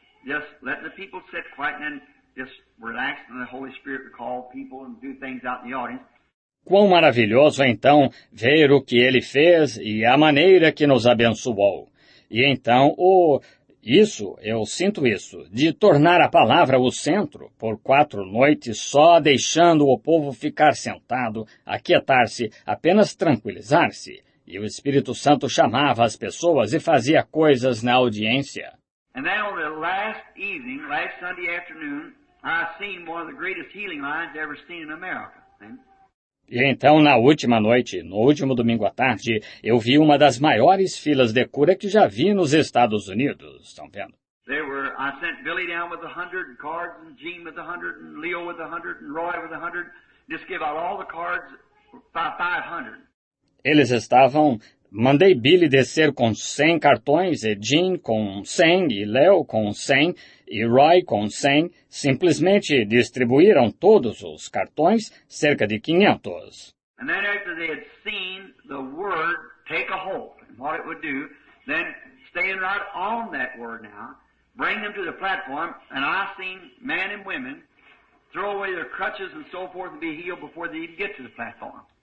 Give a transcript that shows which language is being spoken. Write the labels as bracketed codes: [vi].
[en] Just letting the people sit quiet and just relax, and the Holy Spirit would call people and do things out in the audience. [pt] Quão maravilhoso, então, ver o que ele fez e a maneira que nos abençoou. E então, eu sinto isso, de tornar a palavra o centro por 4 noites só deixando o povo ficar sentado, aquietar-se, apenas tranquilizar-se. E o Espírito Santo chamava as pessoas e fazia coisas na audiência. [en] And then on the last evening, last Sunday afternoon, I seen one of the greatest healing lines ever seen in America. [pt] E então, na última noite, no último domingo à tarde, eu vi uma das maiores filas de cura que já vi nos Estados Unidos. Estão vendo? [en] I sent Billy down with 100, and cards, and Gene with 100, and Leo with 100, and Roy with 100. Just give out all the cards by 500. [pt] Eles estavam... Mandei Billy descer com 100 cartões, e Gene com 100, e Leo com 100, e Roy com 100. Simplesmente distribuíram todos os cartões, cerca de 500. [en] And then after they had seen the Word take a hold, and what it would do, then staying right on that Word now, bring them to the platform, and I seen men and women throw away their crutches and so forth and be healed before they even get to the platform.